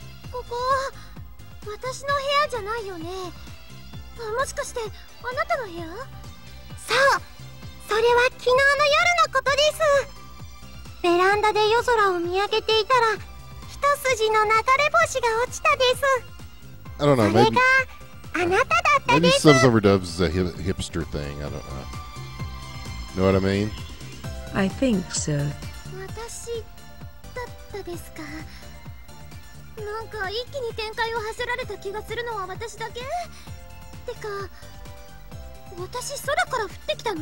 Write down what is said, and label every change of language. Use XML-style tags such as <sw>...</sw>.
<ja>ここ、私の部屋じゃないよね。もしかして、あなたの部屋？そう、それは昨日の夜のことです。ベランダで夜空を見上げていたら、一筋の流れ星が落ちたです。</ja> <en>I don't know, maybe...</en> <ja>あなただったです</ja> <en>Maybe subs over dubs is a hipster thing, I don't know. Know what I mean? I think so.</en> <ja>私だったですかなんか一気に展開を走られた気がするのは私だけてか、私空から降ってきたの</ja>